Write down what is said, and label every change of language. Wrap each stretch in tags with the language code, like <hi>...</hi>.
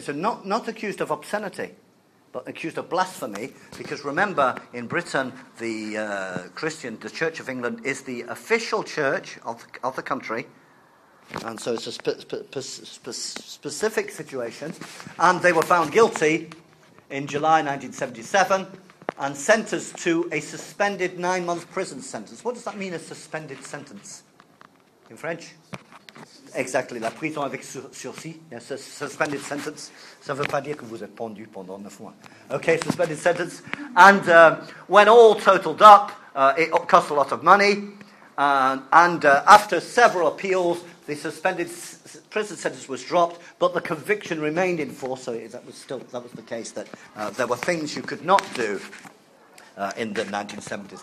<en>So not accused of obscenity, but accused of blasphemy, because remember, in Britain, the Church of England is the official church of the country, and so it's a specific situation, and they were found guilty in July 1977 and sentenced to a suspended 9-month prison sentence. What does that mean, a suspended sentence in French? Exactly,</en> <fr>la prison avec sursis,</fr> <en>yes, a suspended sentence.</en> <fr>Ça ne veut pas dire que vous êtes pendu pendant 9 mois.</fr> <en>Okay, suspended sentence. And when all totaled up, it cost a lot of money. After several appeals, the suspended prison sentence was dropped, but the conviction remained in force. So that was the case that there were things you could not do in the 1970s.</en>